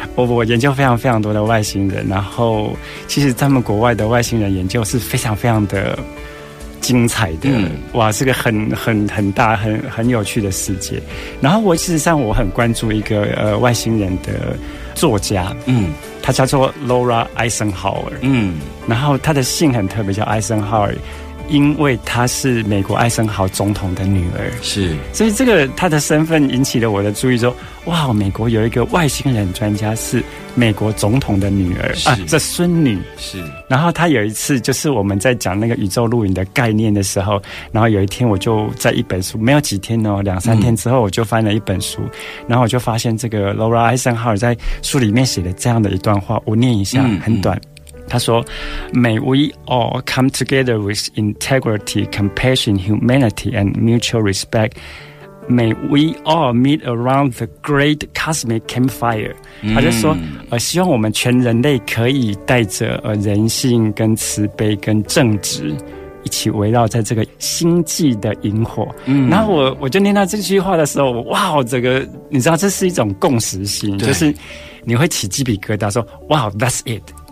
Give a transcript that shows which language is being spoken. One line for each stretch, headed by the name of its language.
Chinese: 我研究非常非常多的外星人，然后其实他们国外的外星人研究是非常非常的精彩的、嗯、哇，是个很大很有趣的世界。然后事实上我很关注一个外星人的作家，嗯，他叫做 Laura Eisenhower，嗯，然后他的姓很特别，叫 Eisenhower， 因为她是美国艾森豪总统的女儿，是，所以这个她的身份引起了我的注意，说哇，美国有一个外星人专家是美国总统的女儿啊，这孙女是。然后她有一次就是我们在讲那个宇宙录影的概念的时候，然后有一天我就在一本书，没有几天哦，两三天之后我就翻了一本书，然后我就发现这个 Laura Eisenhower 在书里面写的这样的一段话，我念一下，很短。
English: 他说 May we all come together with integrity, compassion, humanity, and mutual respect. May we all meet around the great cosmic campfire.
Chinese: 他就说希望我们全人类可以带着人性跟慈悲跟正直一起围绕在这个星际的萤火。然后我就念到这句话的时候，哇，这个你知道这是一种共识性，就是你会起鸡皮疙瘩说哇
English: that's it。